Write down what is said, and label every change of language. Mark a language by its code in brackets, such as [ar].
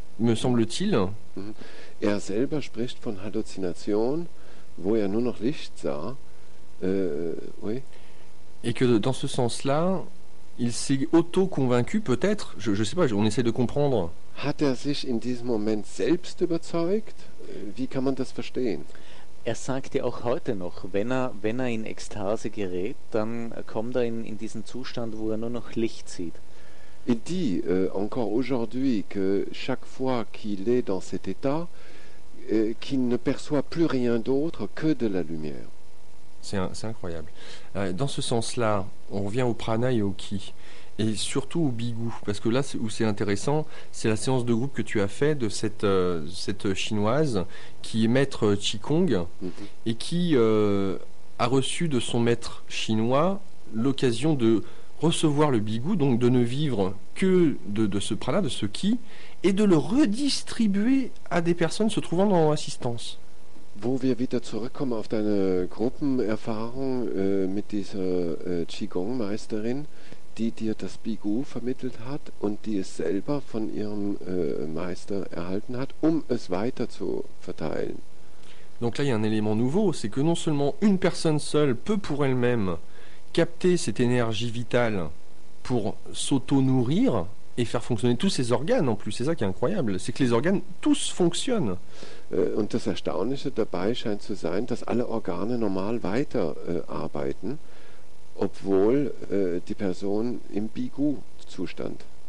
[fr] Me semble-t-il. [de] Er selber spricht von Halluzination, wo nur noch Licht sah. [fr] Oui. Et que dans ce sens-là, il s'est auto-convaincu peut-être, je sais pas, on essaie de comprendre. [de] Hat sich in diesem Moment selbst überzeugt? Wie kann man das verstehen? Er sagte auch heute noch, wenn er in Ekstase gerät, dann kommt er in diesen Zustand, wo nur noch Licht sieht. [fr] Il dit encore aujourd'hui que chaque fois qu'il est dans cet état, qu'il ne perçoit plus rien d'autre que de la lumière. C'est incroyable. Dans ce sens-là, on revient au prana et au ki, et surtout au bigou, parce que là où c'est intéressant, c'est la séance de groupe que tu as fait de cette chinoise qui est maître Qigong et qui a reçu de son maître chinois l'occasion de recevoir le bigou, donc de ne vivre que de ce prana, de ce ki, et de le redistribuer à des personnes se trouvant dans l'assistance. [de] Wo wir wieder zurückkommen auf deine Gruppenerfahrung mit dieser Qigong-Meisterin, die dir das Bigou vermittelt hat und die es selber von ihrem Meister erhalten hat, um es weiter zu verteilen. [fr] Donc là, il y a un élément nouveau, c'est que non seulement une personne seule peut pour elle-même capter cette énergie vitale pour s'auto-nourrir et faire fonctionner tous ses organes en plus. C'est ça qui est incroyable, c'est que les organes tous fonctionnent. [de] Und das Erstaunliche dabei scheint zu sein, dass alle Organe normal weiter arbeiten, obwohl die Person im Bigou-Zustand